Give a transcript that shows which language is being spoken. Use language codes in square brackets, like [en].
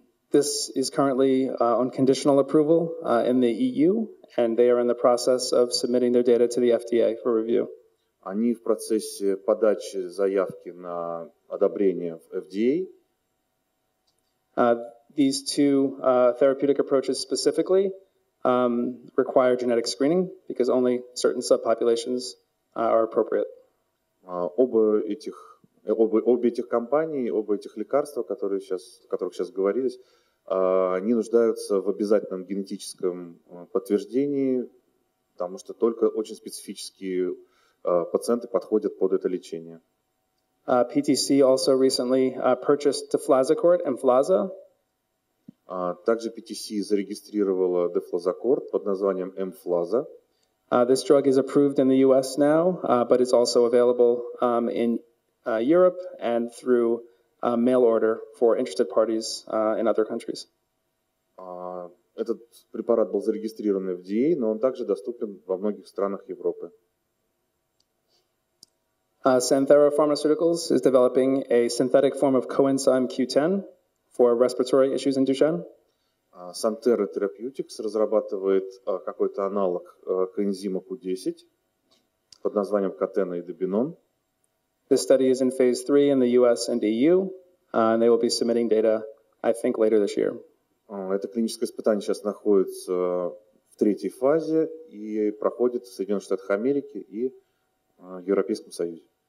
[en] This is currently on conditional approval in the EU, and they are in the process of submitting their data to the FDA for review. [ru] Они в процессе подачи заявки на одобрение в FDA. [en] These two therapeutic approaches specifically require genetic screening because only certain subpopulations are appropriate. [ru] Оба этих компаний, оба этих лекарства, о которых сейчас говорилось, они нуждаются в обязательном генетическом подтверждении, потому что только очень специфические пациенты подходят под это лечение. [en] PTC also recently purchased deflazacort, Emflaza. [ru] Также PTC зарегистрировала deflazacort под названием Emflaza. [en] This drug is approved in the US now, but it's also available in Europe and through mail order for interested parties in other countries. [ru] Этот препарат был зарегистрирован в FDA, но он также доступен во многих странах Европы. [en] Santhera Pharmaceuticals is developing a synthetic form of coenzyme Q10 for respiratory issues in Duchenne. [ru] Santhera Therapeutics разрабатывает какой-то аналог коэнзима Q10 под названием Катена и Дебинон. [en] This study is in phase 3 in the US and EU, and they will be submitting data, I think, later this year. [ru] Это клиническое испытание сейчас находится в третьей фазе и проходит в Соединенных Штатах Америки и Европейском Союзе.